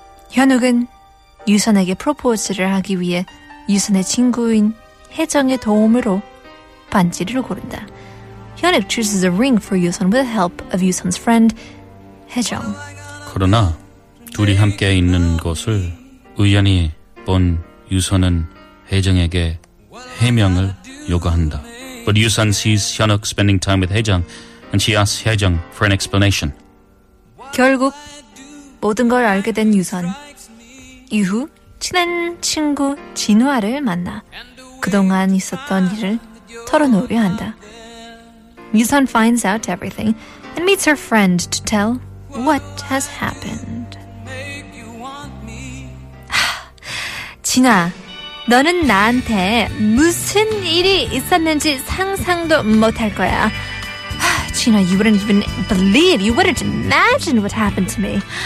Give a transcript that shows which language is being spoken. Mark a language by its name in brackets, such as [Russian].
[Korean] 현욱은 유선에게 프로포즈를 하기 위해 유선의 친구인 혜정의 도움으로 반지를 고른다. [English] Hyunwook chooses a ring for Yusun with the help of Yusun's friend, 혜정. [Korean] 그러나 둘이 함께 있는 것을 우연히 본 유선은 혜정에게 해명을 요구한다. [English] But Yusun sees Hyunwook spending time with 혜정 and she asks 혜정 for an explanation. [Korean] 결국 모든 걸 알게 된 유선 이후 친한 친구 진화를 만나 그동안 있었던 일을 털어놓으려 한다. [English] Yusun finds out everything and meets her friend to tell what has happened. [Korean] 진아, 너는 나한테 무슨 일이 있었는지 상상도 못할 거야. [English] 하, 진아, you wouldn't even believe, you wouldn't imagine what happened to me.